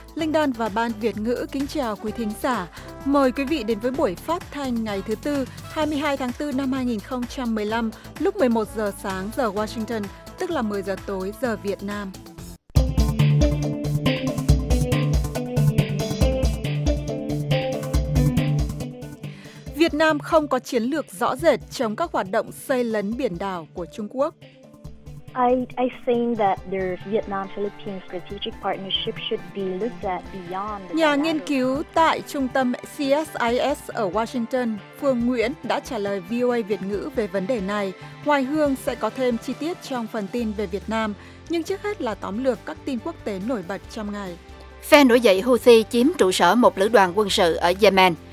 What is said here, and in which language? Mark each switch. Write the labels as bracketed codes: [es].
[vi] Linh Đan và Ban Việt ngữ kính chào quý thính giả. Mời quý vị đến với buổi phát thanh ngày thứ Tư, 22 tháng 4 năm 2015, lúc 11 giờ sáng giờ Washington, tức là 10 giờ tối giờ Việt Nam. Việt Nam không có chiến lược rõ rệt chống các hoạt động xâm lấn biển đảo của Trung Quốc. [en] I think that the Vietnam-Philippine strategic partnership should be looked at beyond. [vi] Nhà nghiên cứu tại trung tâm CSIS ở Washington, Phương Nguyễn đã trả lời VOA Việt ngữ về vấn đề này. Hoài Hương sẽ có thêm chi tiết trong phần tin về Việt Nam, nhưng trước hết là tóm lược các tin quốc tế nổi bật trong ngày. Phe nổi dậy Houthi chiếm trụ sở một lữ đoàn quân sự ở Yemen.